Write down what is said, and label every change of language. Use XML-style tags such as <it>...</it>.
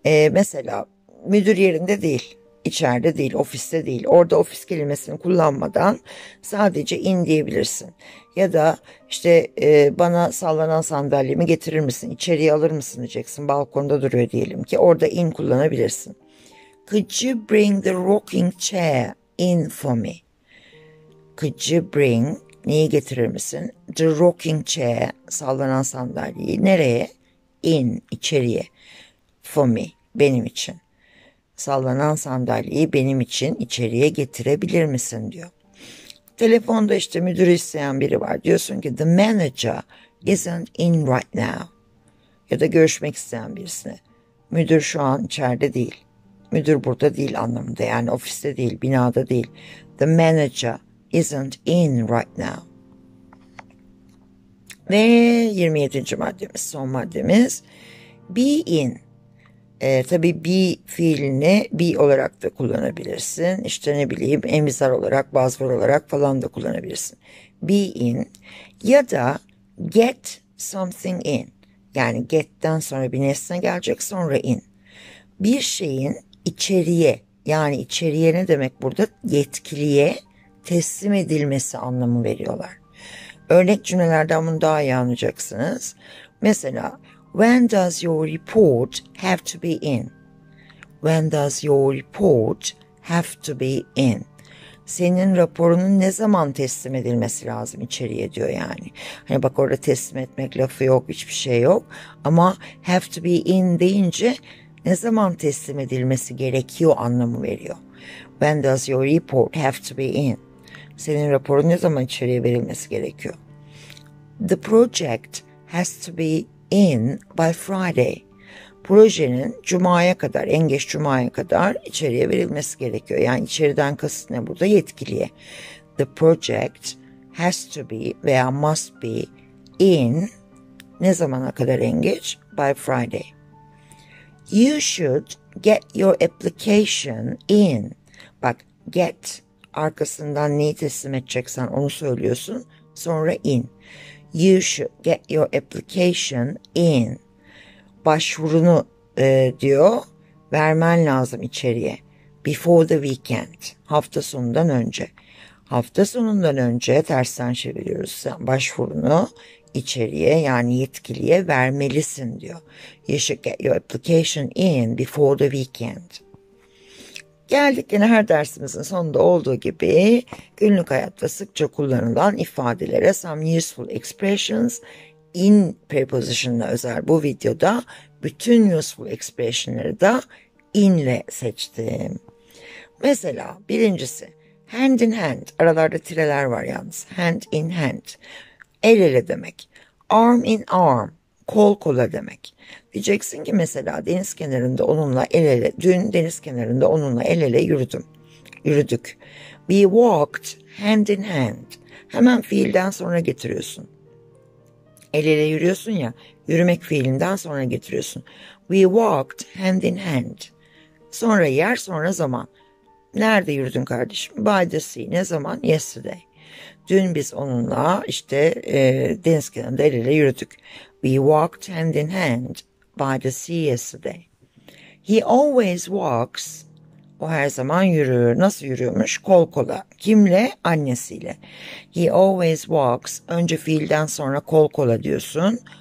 <tr>Mesela müdür yerinde değil, içeride değil, ofiste değil. Orada ofis kelimesini kullanmadan sadece in diyebilirsin. Ya da işte bana sallanan sandalyemi getirir misin, içeriye alır mısın diyeceksin. Balkonda duruyor diyelim ki, orada in kullanabilirsin.</tr> <en>Could you bring the rocking chair in for me? Could you bring,</en> <tr>neyi getirir misin?</tr> <en>The rocking chair,</en> <tr>sallanan sandalyeyi. Nereye? In, içeriye.</tr> <en>For me,</en> <tr>benim için. Sallanan sandalyeyi benim için içeriye getirebilir misin diyor. Telefonda işte müdürü isteyen biri var. Diyorsun ki</tr> <en>the manager isn't in right now.</en> <tr>Ya da görüşmek isteyen birisine. Müdür şu an içeride değil. Müdür burada değil anlamında. Yani ofiste değil, binada değil.</tr> <en>The manager isn't in right now.</en> <tr>Ve 27. maddemiz, son maddemiz. Be in. Tabii be fiilini be olarak da kullanabilirsin. İşte ne bileyim, emizar olarak, bazvur olarak falan da kullanabilirsin. Be in ya da get something in. Yani get'ten sonra bir nesne gelecek, sonra in. Bir şeyin içeriye, yani içeriye ne demek burada? Yetkiliye teslim edilmesi anlamı veriyorlar. Örnek cümlelerden bunu daha iyi anlayacaksınız.</tr> <en>Mesela, when does your report have to be in? When does your report have to be in?</en> <tr>Senin raporunun ne zaman teslim edilmesi lazım içeriye diyor yani. Hani bak orada teslim etmek lafı yok, hiçbir şey yok. Ama have to be in deyince ne zaman teslim edilmesi gerekiyor anlamı veriyor.</tr> <en>When does your report have to be in?</en> <tr>Senin raporun ne zaman içeriye verilmesi gerekiyor?</tr> <en>The project has to be in by Friday.</en> <tr>Projenin cumaya kadar, en geç cumaya kadar içeriye verilmesi gerekiyor. Yani içeriden kasıt ne burada? Yetkiliye.</tr> <en>The project has to be</en> <tr>veya must be in ne zamana kadar en geç? By Friday.</tr> <en>You should get your application in.</en> <tr>Bak, get arkasından neyi teslim edeceksen onu söylüyorsun.</tr> <en>Sonra in. You should get your application in.</en> <tr>Başvurunu diyor, vermen lazım içeriye.</tr> <en>Before the weekend.</en> <tr>Hafta sonundan önce. Hafta sonundan önce tersten çeviriyoruz. Sen başvurunu içeriye, yani yetkiliye vermelisin diyor.</tr> <en>You should get your application in before the weekend.</en> <tr>Geldik yine her dersimizin sonunda olduğu gibi günlük hayatta sıkça kullanılan ifadelere,</tr> <en>some useful expressions.</en> <tr>In prepositionına özel bu videoda bütün useful expressionları da in'le seçtim. Mesela birincisi, hand in hand, aralarda tireler var yalnız, hand in hand, el ele demek. Arm in arm, kol kola demek. Diyeceksin ki mesela deniz kenarında onunla el ele, dün deniz kenarında onunla el ele yürüdüm, yürüdük.</tr> <en>We walked hand in hand.</en> <tr>Hemen fiilden sonra getiriyorsun. El ele yürüyorsun ya, yürümek fiilinden sonra getiriyorsun.</tr> <en>We walked hand in hand.</en> <tr>Sonra yer, sonra zaman. Nerede yürüdün kardeşim?</tr> <en>By the sea.</en> <tr>Ne zaman? Yesterday. Dün biz onunla işte deniz kenarında el ele yürüdük.</tr> <en>We walked hand in hand by the sea yesterday. He always walks.</en> <tr>O her zaman yürür. Nasıl yürüyormuş? Kol kola. Kimle? Annesiyle.</tr> <en>He always walks.</en> <tr>Önce fiilden sonra kol kola diyorsun.</tr>